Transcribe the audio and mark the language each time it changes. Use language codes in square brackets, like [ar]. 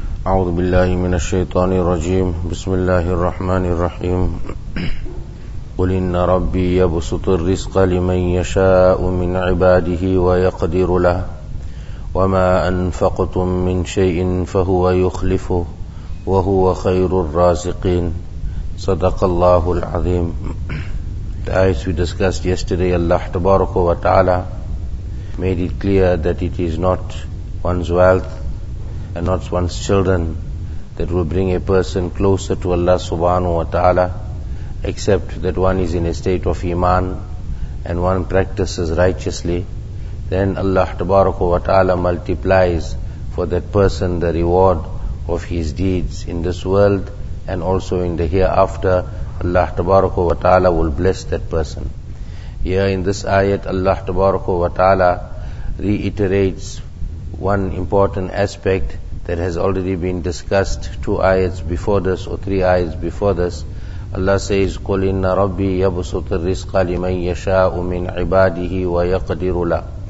[ar] أعوذ بالله من الشيطان الرجيم بسم الله الرحمن الرحيم قل إن ربي يبسط الرزق لمن يشاء من عباده ويقدر له وما أنفقتم من شيء فهو يخلفه وهو خير الرازقين صدق الله العظيم. [en] The ayat we discussed yesterday, Allah تبارك وتعالى made it clear that it is not one's wealth and not one's children that will bring a person closer to Allah subhanahu wa ta'ala, except that one is in a state of iman and one practices righteously. Then Allah tabaraka wa ta'ala multiplies for that person the reward of his deeds in this world and also in the hereafter. Allah tabaraka wa ta'ala will bless that person. Here in this ayat, Allah tabaraka wa ta'ala reiterates one important aspect that has already been discussed two ayats before this or three ayats before this. Allah says, [ar] قُلْ إِنَّ رَبِّي يَبْسُطُ الرِّزْقَ لِمَنْ يَشَاءُ مِنْ عِبَادِهِ وَيَقْدِرُ لَهُ.